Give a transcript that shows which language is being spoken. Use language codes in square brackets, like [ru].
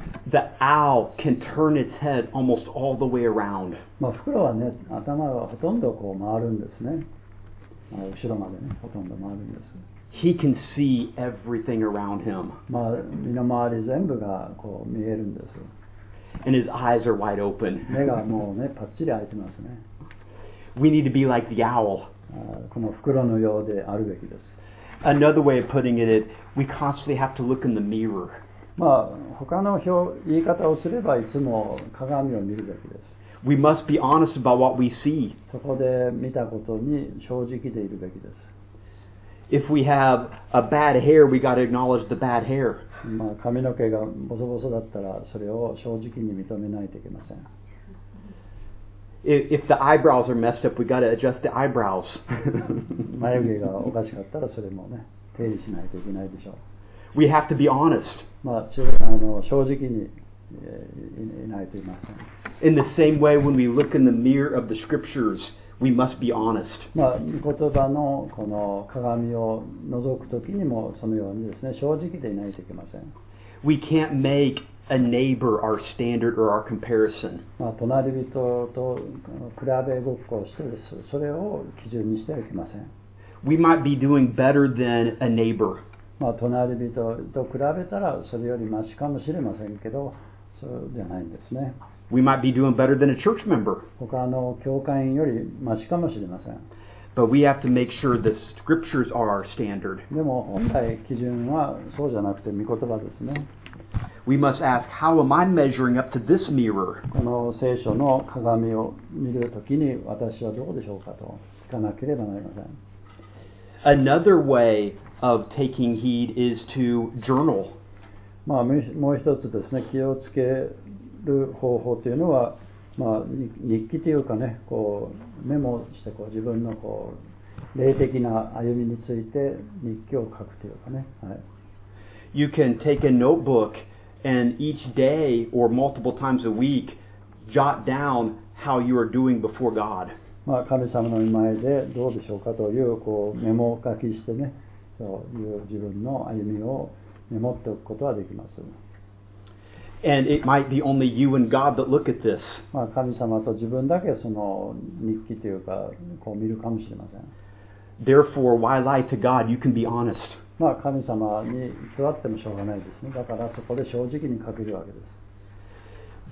[en] The owl can turn its head almost all the way around. [ja] まあ、袋はね、頭はほとんどこう回るんですね。まあ、後ろまでね、ほとんど回るんです。 [en] He can see everything around him. [ja] まあ、身の回り全部がこう見えるんです。 [en] And his eyes are wide open. [ja] 目がもうね、パッチリ開いてますね。 [en] We need to be like the owl. [ja] この袋のようであるべきです。 [en] Another way of putting it is, we constantly have to look in the mirror. [ja] まあ、他の言い方をすればいつも鏡を見るべきです。 [en] We must be honest about what we see. [ja] そこで見たことに正直でいるべきです。 [en] If we have a bad hair, we got to acknowledge the bad hair. [ja] まあ、髪の毛がボソボソだったらそれを正直に認めないといけません。 [en] If the eyebrows are messed up, we got to adjust the eyebrows. [ja] 眉毛がおかしかったらそれもね、手入れしないといけないでしょう。 [en] We have to be honest. [ja] まあ、正直にいないといけません。 [en] In the same way, when we look in the mirror of the scriptures, we must be honest. [ja] まあ、言葉のこの鏡を覗くときにもそのようにですね、正直でいないといけません。 [en] We can't make a neighbor our standard or our comparison. [ja] まあ、隣人と比べごっこをしてです。それを基準にしてはいけません。 [en] We might be doing better than a neighbor. [ja] まあ、隣人と比べたらそれよりマシかもしれませんけど、そうじゃないんですね。 [en] We might be doing better than a church member. [ja] 他の教会員よりマシかもしれません。 [en] But we have to make sure the scriptures are our standard. [ja] でも本来基準はそうじゃなくて御言葉ですね。 [en] We must ask, how am I measuring up to this mirror? [ja] この聖書の鏡を見るときに私はどうでしょうかと聞かなければなりません。 [en] Another way of taking heed is to journal. [ja] まあもう一つですね、気をつける方法というのは、まあ、日記というかね、こうメモしてこう自分のこう霊的な歩みについて日記を書くというかね、はい。 [en] You can take a notebook and each day or multiple times a week jot down how you are doing before God. [ja] まあ神様の御前でどうでしょうかというこうメモ書きしてね、そういう自分の歩みをメモっておくことはできます。 [en] And it might be only you and God that look at this. [ja] まあ神様と自分だけその日記というかこう見るかもしれません。 [en] Therefore, why lie to God? You can be honest. [ja] まあ神様に座ってもしょうがないですね。だからそこで正直に書けるわけです。